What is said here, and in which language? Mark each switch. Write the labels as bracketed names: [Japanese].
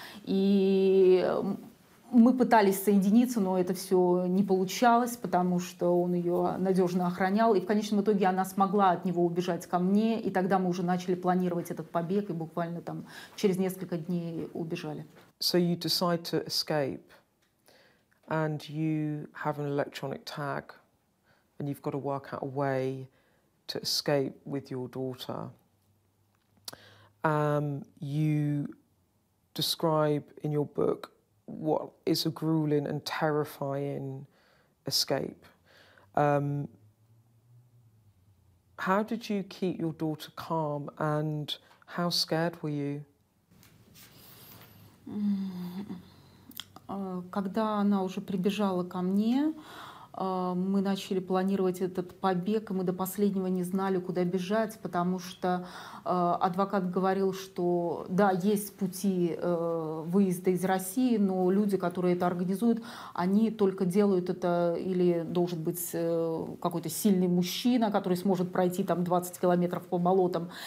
[Russian] И мы пытались соединиться, но это все не получалось, потому что он ее надежно охранял. И в конечном итоге она смогла от него убежать ко мне. И тогда мы уже начали планировать этот побег, и буквально там через несколько дней убежали. [English] So you decide to escape, and you have an electronic tag, and you've got to work out a way to escape with your daughter. You describe in your book what is a grueling and terrifying escape. How did you keep your daughter calm, and how scared were you? [Russian] Когда она уже прибежала ко мне, мы начали планировать этот побег, и мы до последнего не знали, куда бежать, потому что адвокат говорил, что да, есть пути выезда из России, но люди, которые это организуют, они только делают это, или должен быть какой-то сильный мужчина, который сможет пройти там 20 километров по болотам.